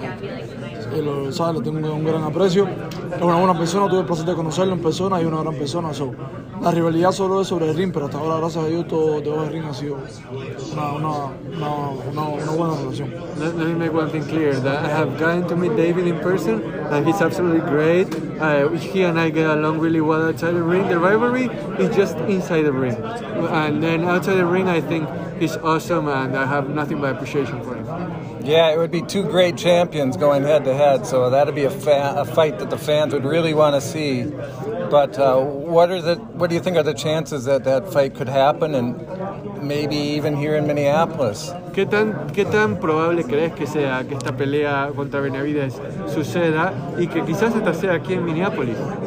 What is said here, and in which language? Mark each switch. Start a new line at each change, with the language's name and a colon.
Spanish: Like, lo sabes, lo tengo un gran aprecio. Es una buena persona, tuve el placer de conocerlo en persona y una gran persona. So, la rivalidad solo es sobre el ring, pero hasta ahora, gracias a Dios, todo de el ring ha sido una buena relación.
English: Let me make one thing clear, that I have gotten to meet David in person, and he's absolutely great. He and I get along really well outside the ring. The rivalry is just inside the ring. And then outside the ring, I think he's awesome, and I have nothing but appreciation for him. Yeah, it would be two great champions going head-to-head, so that would be a fight that the fans would really want to see. But what do you think are the chances that fight could happen, and maybe even here in Minneapolis?
Spanish: ¿Qué tan probable crees que sea que esta pelea contra Benavidez suceda y que quizás hasta sea aquí en Minneapolis?